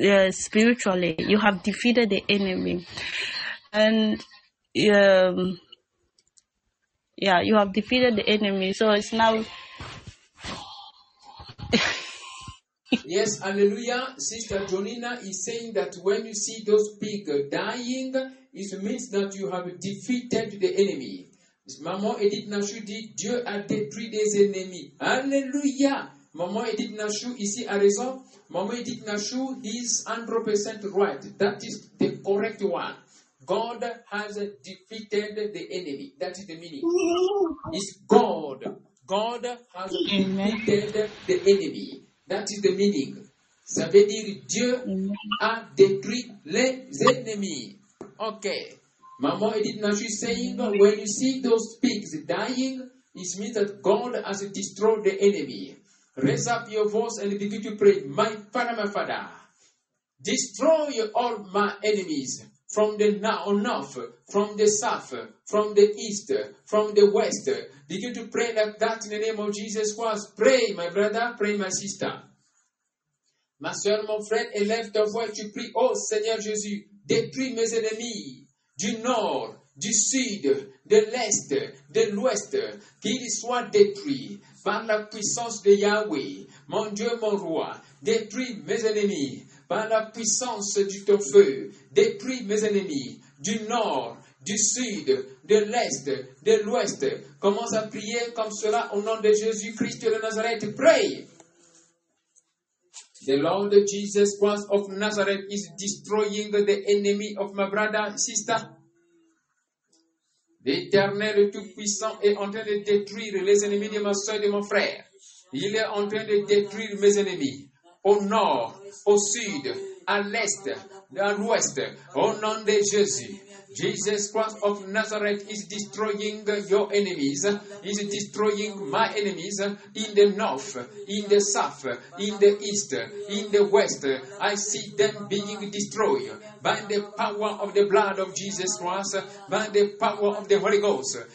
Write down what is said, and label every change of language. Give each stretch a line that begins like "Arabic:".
English: Spiritually, you have defeated the enemy, and you have defeated the enemy. So it's now. Yes, hallelujah, Sister Jonina is saying that when you see those pigs dying, it means that you have defeated the enemy.
French: Maman Edith Nashu dit Dieu a détruit des ennemis. Alléluia. Maman Edith Nashu ici a raison.
English: Maman Edith Nashu is 100% right. That is the correct one. God has defeated the enemy. That is the meaning. It's God. God has defeated the enemy. That is the meaning.
French: Ça veut dire Dieu a détruit les ennemis. Ok.
English: Maman Edith Nashu is saying, when you see those pigs dying, it means that God has destroyed the enemy. Raise up your voice and begin to pray. My Father, destroy all my enemies from the north, from the south, from the east, from the west. Begin to pray like that in the name of Jesus Christ. Pray, my brother, pray, my sister.
French: Ma soeur, mon frère, élève ta voix, tu pries, oh Seigneur Jésus, détruis mes ennemis. Du nord, du sud, de l'est, de l'ouest, qu'ils soient détruits par la puissance de Yahweh, mon Dieu, mon roi, détruis mes ennemis par la puissance de ton feu, détruis mes ennemis du nord, du sud, de l'est, de l'ouest. Commence à prier comme cela au nom de Jésus-Christ de Nazareth.
English: Pray! The Lord Jesus Christ of Nazareth is destroying the enemy of my brother, sister.
French: L'Éternel Tout-Puissant est en train de détruire les ennemis de ma soeur et de mon frère. Il est en train de détruire mes ennemis au nord, au sud, à l'est, à l'ouest, au nom de Jésus.
English: Jesus Christ of Nazareth is destroying your enemies, is destroying my enemies in the north, in the south, in the east, in the west. I see them being destroyed by the power of the blood of Jesus Christ, by the power of the Holy Ghost.